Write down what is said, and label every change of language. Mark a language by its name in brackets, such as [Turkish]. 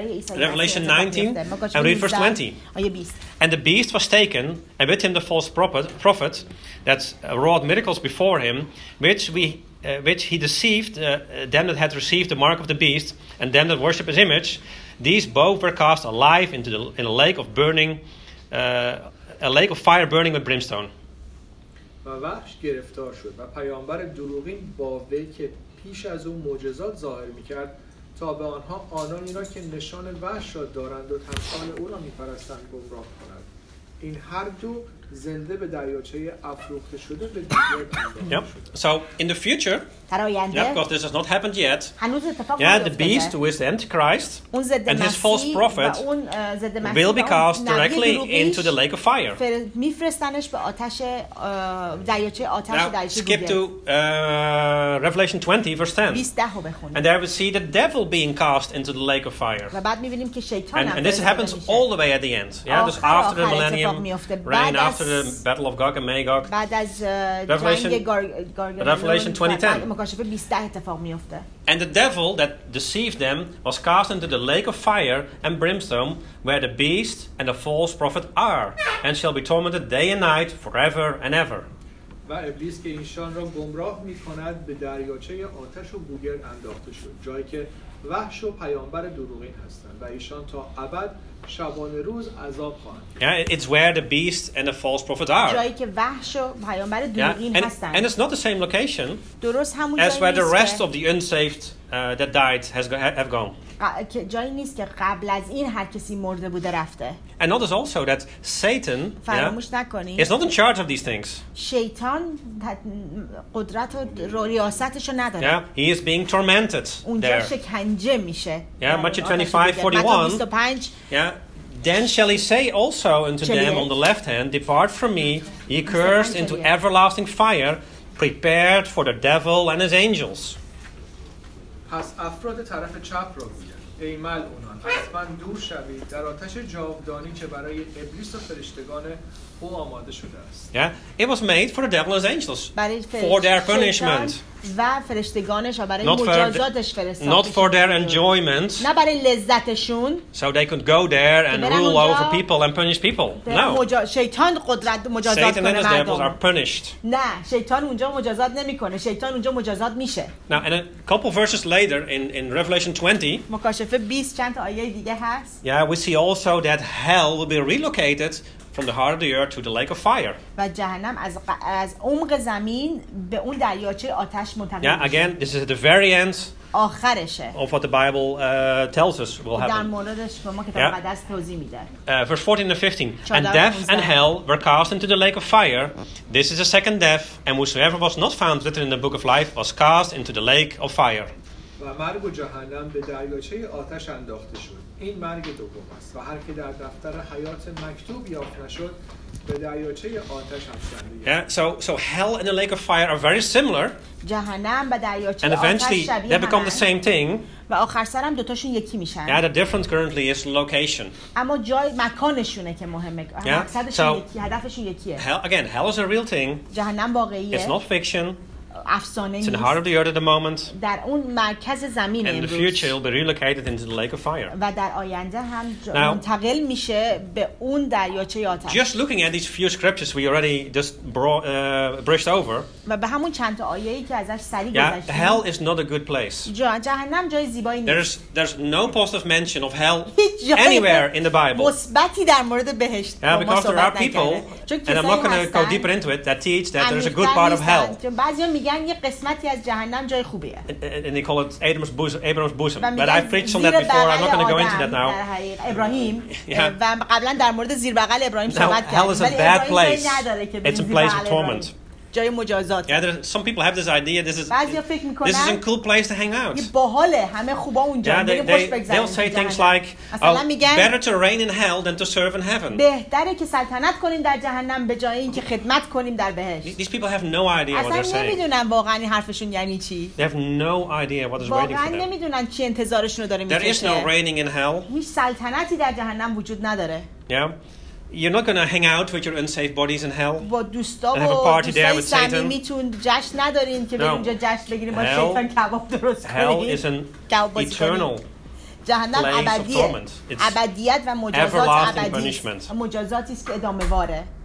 [English] Revelation 19 and read verse 20. And the beast was taken, and with him the false prophet that wrought miracles before him, which he deceived them that had received the mark of the beast, and them that worship his image. These both were cast alive into in a lake of burning, a lake of fire burning with brimstone. [Persian] و وحش گرفتار شد و پیامبر دروغین با وی که پیش از او معجزات ظاهر می‌کرد تا به آنها آنانی را که نشان وحش را دارند و تمثال او را می‌پرستند گمراه کند. این هر دو زنده به دریاچه افروخته شده به دیگر پرداخته شدند. [English] So in the future, yeah, because this has not happened yet. Yeah, the beast who is the Antichrist and his false prophet will be cast directly into the lake of fire. Now, skip to Revelation 20, verse 10. And there we see the devil being cast into the lake of fire. And this happens all the way at the end. Yeah, just after the millennium reign, after the battle of Gog and Magog. Revelation 20:10. And the devil that deceived them was cast into the lake of fire and brimstone, where the beast and the false prophet are, and shall be tormented day and night forever and ever. [Persian] و ابلیس که ایشان را گمراه می‌کند به دریاچه آتش و بوگرد انداخته شد، جایی که وحش و پیامبر دروغین هستند و ایشان تا ابد شبانه روز عذاب خواهند. [English] Yeah, it's where the beast and the false prophet are. [Persian] جایی که وحش و پیامبر دروغین هستند. [English] And it's not the same location. [Persian] درست همون جایی است. [English] As where the rest of the unsaved that died have gone. [Persian] جایی نیست که قبل از این هر کسی مرده بوده رفته. [English] And notice also that Satan, [Persian] فراموش نکنید, [English] is not in charge of these things. [Persian] شیطان قدرت و ریاستش رو نداره. [English] Yeah, he is being tormented there. [Persian] اونجا شکنجه میشه. [English] Yeah, Matthew 25:41. Yeah. Then shall he say also unto them on the left hand, depart from me, ye cursed, into everlasting fire, prepared for the devil and his angels. [Persian] پس افراد طرف چپ را گوید ای ملعونان از من دور شوید در آتش جاودانی که برای ابلیس و فرشتگان او آماده شده است. [English] Yeah, it was made for the devil and his angels. For their punishment. [Persian] و فرشتگانش برای مجازاتش فرستاد. [English] Not for their enjoyment. [Persian] نه برای لذتشون. [English] So they could go there and rule over people and punish people. No. [Persian] شیطان قدرت مجازات کنه مردم. [English] Satan and his devils are punished. [Persian] نه، شیطان اونجا مجازات نمیکنه. شیطان اونجا مجازات میشه. [English] Now and a couple verses later in Revelation 20. [Persian] مکاشفه 20 چند تا آیه دیگه هست. [English] Yeah, we see also that hell will be relocated from the heart of the earth to the lake of fire. [Persian] و جهنم از عمق زمین به اون دریاچه آتش منتقل میشه. [English] Again, this is at the very end. [Persian] آخرشه. [English] Of what the Bible tells us will happen. [Persian] در موردش به ما کتاب مقدس توضیح میده. [English] Verse 14 and 15. And death and hell were cast into the lake of fire. This is the second death, and whosoever was not found written in the book of life was cast into the lake of fire. [Persian] و مرگ و جهنم به دریاچه آتش انداخته شد. این مرگ دوم است و هر که در دفتر حیات مکتوب یافت نشد به دریاچه آتش افکنده شد. [English] So hell and the lake of fire are very similar. [Persian] جهنم و دریاچه آتش شبیه هم. [English] And eventually they become the same thing. [Persian] و آخر سر هم دوتاشون یکی میشن. [English] Yeah, the difference currently is location. [Persian] اما جای مکانشونه که مهمه. مقصدشون یکی، هدفشون یکیه. [English] Hell is a real thing. [Persian] جهنم واقعیه. [English] It's not fiction. [Persian] افسانه نیست. [English] In the heart of the earth at the moment. [Persian] در اون مرکز زمین امروز. [English] And in the future it'll be relocated into the lake of fire. [Persian] و در آینده هم منتقل میشه به اون دریاچه آتش. [English] Just looking at these few scriptures we already just brushed over. [Persian] و به همون چند تا آیه‌ای که ازش سری گذشتیم. [English] Yeah, hell is not a good place. [Persian] جهنم جای زیبایی نیست. [English] There's no positive mention of hell anywhere in the Bible. [Persian] مثبتی در مورد بهشت. [English] Yeah, because there are people, and I'm not going to go deeper into it, that teach that there's a good part of hell. [Persian] میگن یه قسمتی از جهنم جای خوبیه. [English] And they call it Abraham's bosom. But I've preached on that before. I'm not going to go into that now. [Persian] ابراهیم و قبلا در مورد زیر بغل ابراهیم صحبت کردیم. [English] Hell is a bad place. It's a place of torment. [Persian] جای مجازات. [English] Yeah, some people have this idea. This is a cool place to hang out. [Persian] یه باحاله. همه خوبا اونجا. [English] Yeah, they'll say things like, better to reign in hell than to serve in heaven. [Persian] بهتره که سلطنت کنیم در جهنم به جای اینکه خدمت کنیم در بهشت. [English] These people have no idea what they're saying. [Persian] اصلا نمیدونن واقعا این حرفشون یعنی چی. [English] They have no idea what is waiting for them. [Persian] واقعا نمیدونن چی انتظارشون رو داره میکشه. [English] There is no reigning in hell. [Persian] هیچ سلطنتی در جهنم وجود نداره. [English] Yeah. You're not going to hang out with your unsafe bodies in hell. [Persian] با دوستا و [English] have a party there with Satan. [Persian] میتون جشن ندارین که بریم اونجا جشن بگیریم با شیطان کباب درست کنیم. [English] Hell is an eternal. [Persian] جهنم ابدیه. ابدیت و مجازات ابدی. [English] Everlasting punishment. [Persian] مجازاتی است که ادامه‌واره.